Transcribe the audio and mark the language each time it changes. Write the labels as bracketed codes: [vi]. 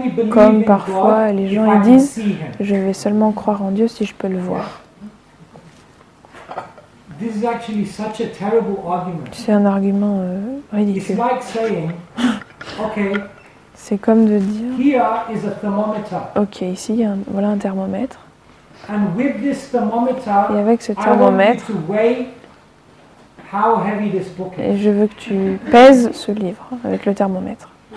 [fr] Comme parfois, les gens ils disent, je vais seulement croire en Dieu si je peux le voir. [en] This is actually such a terrible argument. [fr] C'est un argument ridicule. [en] It's like saying, okay, [fr] c'est comme de dire. [en] Here is a thermometer. [fr] Ok, ici, voilà un thermomètre. [en] And with this thermometer, [fr] et avec ce thermomètre, [en] I want you to weigh how heavy this book is. [fr] Et je veux que tu pèses ce livre avec le thermomètre.